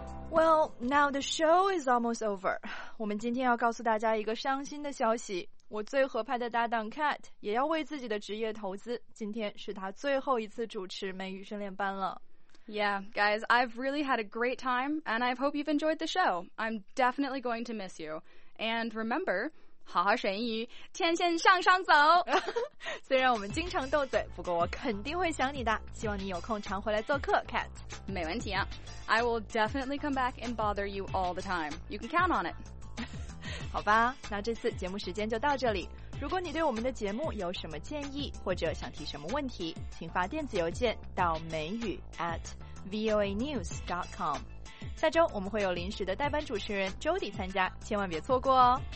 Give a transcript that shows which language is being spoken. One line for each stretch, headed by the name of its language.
English: Well, now the show is almost over.
Chinese: 我们今天要告诉大家一个伤心的消息，我最合拍的搭档 Kat 也要为自己的职业投资，今天是他最后一次主持美语训练班了。
English: Yeah, guys, I've really had a great time, and I hope you've enjoyed the show. I'm definitely going to miss you. And remember,
Chinese: 好好学英语，天线向上走。虽然我们经常斗嘴，不过我肯定会想你的。希望你有空常回来做客 ，Kat。没问题啊
English: ，I will definitely come back and bother you all the time. You can count on it.
Chinese: 好吧，那这次节目时间就到这里。如果你对我们的节目有什么建议或者想提什么问题，请发电子邮件到美语 @voanews.com。下周我们会有临时的代班主持人 Jody 参加，千万别错过哦。